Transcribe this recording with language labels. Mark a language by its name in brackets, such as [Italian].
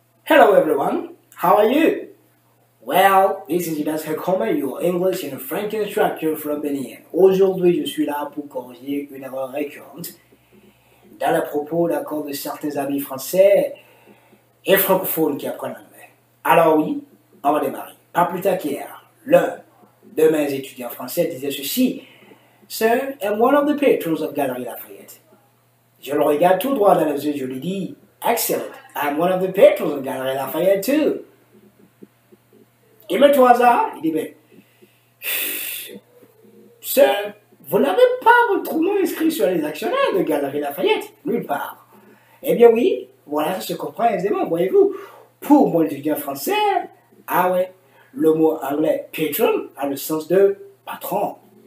[English] Hello everyone, how are you? Well, this is Gildas Hekonme, your English and French instructor from Benin. [French] Aujourd'hui, je suis là pour corriger une erreur récurrente. Dans le propos, d'accord, de certains amis français et francophones qui apprennent l'anglais. Alors oui, on va démarrer. Pas plus tard qu'hier, l'un de mes étudiants français disait ceci. [English] Sir, I'm one of the patrons of Galerie Lafayette. [French] Je le regarde tout droit dans les yeux, je lui dis, excellent. [English] I'm one of the patrons of Galerie Lafayette too. [French] Et mets-toi au hasard, il dit, mais, sir, vous n'avez pas votre nom inscrit sur les actionnaires de Galerie Lafayette, nulle part. Eh bien oui, voilà, ça se comprend aisément, voyez-vous. Pour mon étudiant français, ah ouais, le mot anglais patron a le sens de patron.